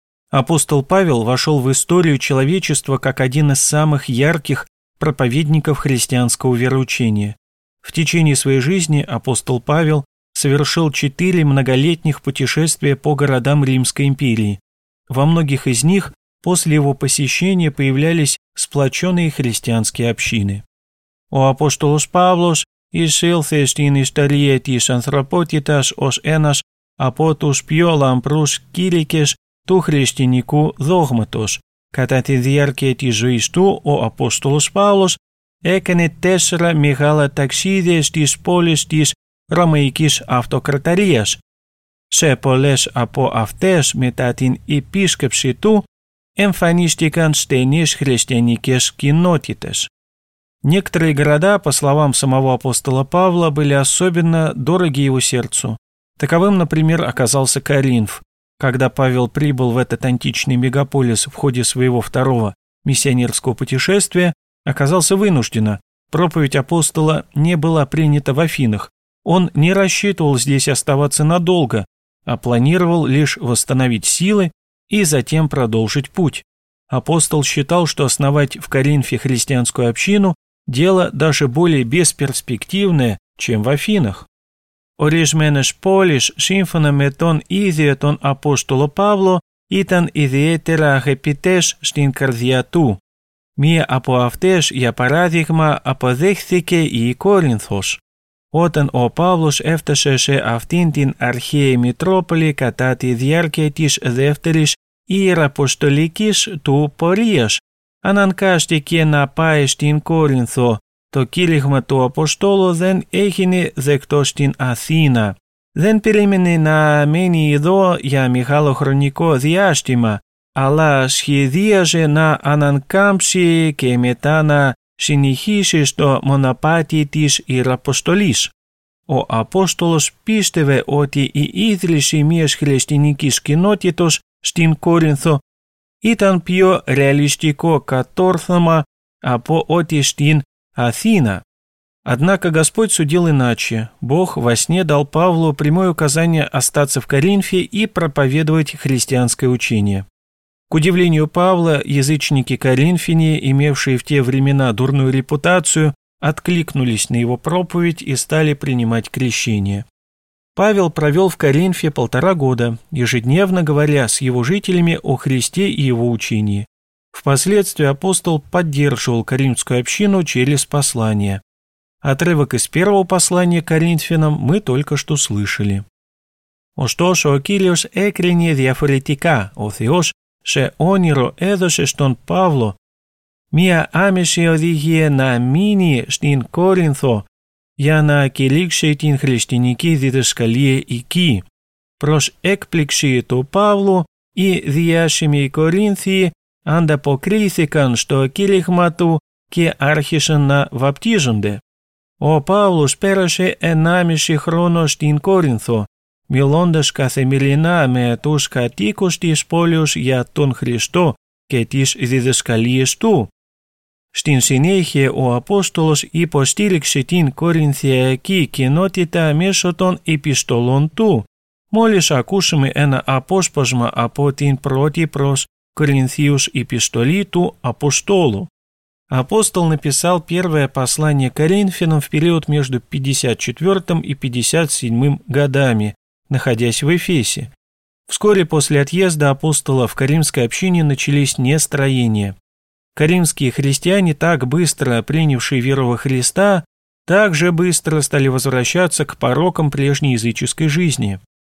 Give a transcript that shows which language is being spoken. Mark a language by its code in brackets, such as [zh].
[ru] Апостол Павел вошел в историю человечества как один из самых ярких проповедников христианского вероучения. В течение своей жизни апостол Павел совершил 4 многолетних путешествия по городам Римской империи. Во многих из них после его посещения появлялись сплоченные христианские общины. [el] «Ο апостолος Павлος εισήλθε στην ιστορία της ανθρωπότητας ως ένας από τους πιο λαμπρούς κήρυκες του χριστιανικού δόγματος. Κατά τη διάρκεια της ζωής του, ο Απόστολος Παύλος έκανε 4 μεγάλα ταξίδια στις πόλεις της Ρωμαϊκής Αυτοκρατορίας. Σε πολλές από αυτές, μετά την επίσκεψη του, εμφανίστηκαν στενείς χριστιανικές κοινότητες. [ru] Некоторые города, по словам самого апостола Павла, были особенно дороги его сердцу. Таковым, например, оказался Коринф. Когда Павел прибыл в этот античный мегаполис в ходе своего второго миссионерского путешествия, оказался вынужденно. Проповедь апостола не была принята в Афинах. Он не рассчитывал здесь оставаться надолго, а планировал лишь восстановить силы и затем продолжить путь. Апостол считал, что основать в Коринфе христианскую общину – дело даже более бесперспективное, чем в Афинах. [el] Ορισμένες πόλεις, σύμφωνα με τον ίδιο τον Απόστολο Παύλο, ήταν ιδιαίτερα αγαπητές στην καρδιά του. Μία από αυτές, για παράδειγμα, αποδέχθηκε η Κόρινθος. Όταν ο Παύλος έφτασε σε αυτήν την αρχαία Μητρόπολη κατά τη διάρκεια της δεύτερης ιεραποστολικής του πορείας, αναγκάστηκε να πάει στην Κόρινθο. Το κήρυγμα του Αποστόλου δεν έγινε δεκτό στην Αθήνα. Δεν περίμενε να μείνει εδώ για μεγάλο χρονικό διάστημα, αλλά σχεδίαζε να ανακάμψει και μετά να συνεχίσει στο μοναπάτι της Ιεραποστολής. Ο Απόστολος πίστευε ότι η ίδρυση μιας χριστιανικής κοινότητος στην Κόρινθο ήταν πιο ρεαλιστικό κατόρθωμα από ό,τι στην Афина. [ru] Однако Господь судил иначе. Бог во сне дал Павлу прямое указание остаться в Коринфе и проповедовать христианское учение. К удивлению Павла, язычники коринфяне, имевшие в те времена дурную репутацию, откликнулись на его проповедь и стали принимать крещение. Павел провел в Коринфе 1,5 года, ежедневно говоря с его жителями о Христе и его учении. Впоследствии апостол поддерживал коринфскую общину через послание. Отрывок из первого послания к коринфянам мы только что слышали. [el] «Ωστόσο, ο Κύριος έκρινε διαφορετικά, ο Θεός σε όνειρο έδωσε στον Παύλο μία άμεση οδηγία να μείνει στην Κόρινθο για να κηρύξει την χριστιανική διδασκαλία εκεί. Προς έκπληξη του Παύλου, οι διάσημοι Κορίνθιοι ανταποκρίθηκαν στο κήρυγμα του και άρχισαν να βαπτίζονται. Ο Παύλος πέρασε 1,5 χρόνο στην Κόρινθο, μιλώντας καθημερινά με τους κατοίκους της πόλης για τον Χριστό και τις διδασκαλίες του. Στην συνέχεια, ο Απόστολος υποστήριξε την Κορινθιακή κοινότητα μέσω των επιστολών του. Μόλις ακούσουμε ένα απόσπασμα από την πρώτη προς Коринфянам эпистоли ту апостолу. [ru] Апостол написал первое послание коринфянам в период между 54 и 57 годами, находясь в Эфесе. Вскоре после отъезда апостола в коринфской общине начались нестроения. Коринфские христиане, так быстро принявшие веру во Христа, также быстро стали возвращаться к порокам прежней языческой жизни.